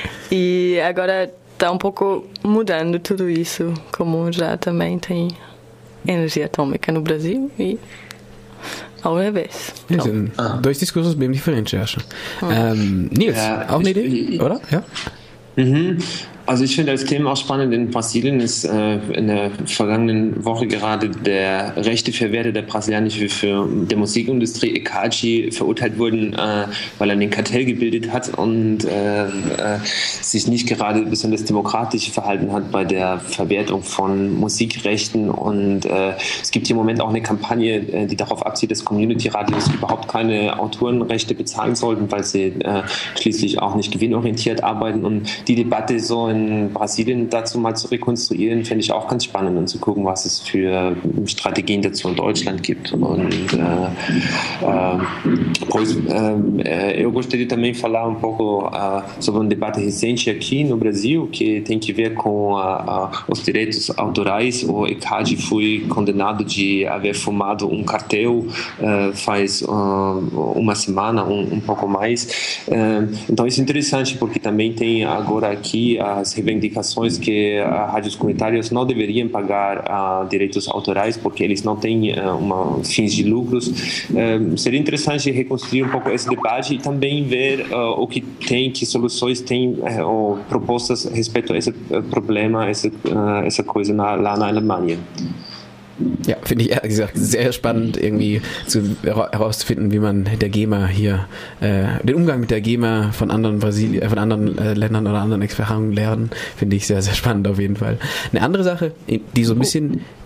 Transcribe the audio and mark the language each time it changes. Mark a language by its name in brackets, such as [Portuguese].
[Portuguese] E agora está um pouco mudando tudo isso, como já também tem energia atômica no Brasil e ao revés. Então. Sim, dois discursos bem diferentes, eu acho. [German] Nils, auch eine Idee, oder? Ja. Also ich finde das Thema auch spannend. In Brasilien ist in der vergangenen Woche gerade der rechte Verwerter der brasilianischen der Musikindustrie, Ekachi, verurteilt worden, weil er den Kartell gebildet hat und sich nicht gerade besonders demokratisch verhalten hat bei der Verwertung von Musikrechten. Und es gibt hier im Moment auch eine Kampagne, die darauf abzielt, dass Community-Radios überhaupt keine Autorenrechte bezahlen sollten, weil sie schließlich auch nicht gewinnorientiert arbeiten. Und die Debatte so in Brasilien dazu mal zu rekonstruieren, fände ich auch ganz spannend und zu gucken, was es für Strategien dazu in Deutschland gibt. [Portuguese] Und eu gostaria também falar um pouco sobre um debate recente aqui no Brasil, que tem que ver com os direitos autorais. O Ekachi foi condenado de haver formado um cartel faz uma semana, um pouco mais. Então isso é interessante, porque também tem agora aqui as reivindicações que rádios comunitárias não deveriam pagar direitos autorais, porque eles não têm fins de lucros. Seria interessante reconstruir um pouco esse debate e também ver o que tem, que soluções tem, ou propostas respeito a esse problema, essa coisa lá na Alemanha. [German] Ja, finde ich ehrlich gesagt sehr spannend, irgendwie herauszufinden, wie man der GEMA hier, den Umgang mit der GEMA von anderen Ländern oder anderen Erfahrungen lernen, finde ich sehr, sehr spannend auf jeden Fall. Eine andere Sache, die so ein bisschen...